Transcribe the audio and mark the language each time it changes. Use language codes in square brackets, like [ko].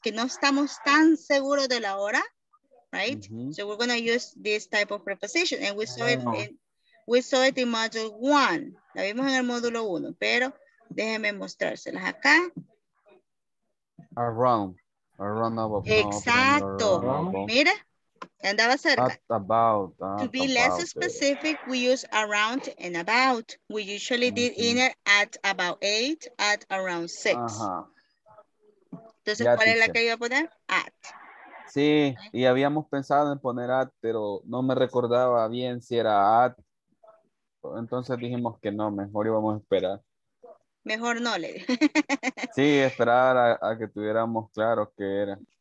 [es] Que no estamos tan seguros de la hora. [en] Right? Mm-hmm. So we're going to use this type of preposition. And we saw it in module one. [es] La vimos en el módulo uno, pero déjenme mostrárselas acá. [en] Around about. [es] Exacto. Mira, andaba cerca. [en] To be less specific, we use around and about. We usually did inner at about 8, at around 6. [es] Entonces, ya, ¿cuál es la que iba a poner? [en] At. [es] Sí, okay. Y habíamos pensado en poner at, pero no me recordaba bien si era at. Entonces dijimos que no, mejor íbamos a esperar. Mejor no le. Sí, esperar a que tuviéramos claro qué era.